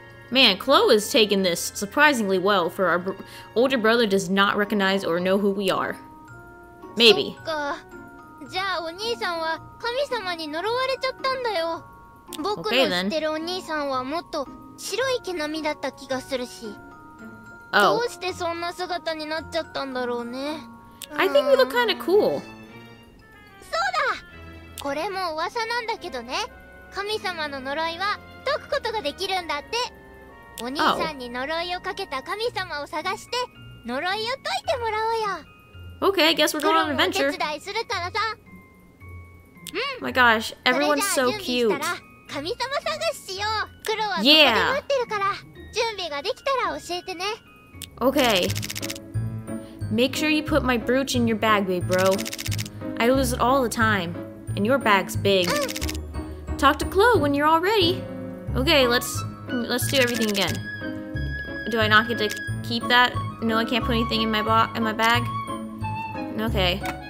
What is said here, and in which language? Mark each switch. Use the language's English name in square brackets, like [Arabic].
[English] Man, Chloe is taking this surprisingly well, for our older brother does not recognize or know who we are. Maybe. [Japanese] そっか。じゃあお兄さんは神様に呪われちゃったんだよ。僕の知ってるお兄さんはもっと白い毛並みだった気がするし。どうしてそんな姿になっちゃったんだろうね。 [English] I think we look kinda cool. [Japanese] これも噂なんだけどね、神様の呪いは解くことができるんだって。お兄さんに呪いをかけた神様を探して呪いを解いてもらおうよ。 [English] Okay, I guess we're going on an adventure. [Japanese] お手伝いするからさ。 [English] Oh my gosh, everyone's so cute. [Japanese] それじゃあ準備したら神様探ししよう。クロはどこで待ってるから、準備ができたら教えてね。 [English] Okay. Make sure you put my brooch in your bag, babe, bro. I lose it all the time, and your bag's big. Talk to Chloe when you're all ready. Okay, let's do everything again. Do I not get to keep that? No, I can't put anything in my bag? Okay.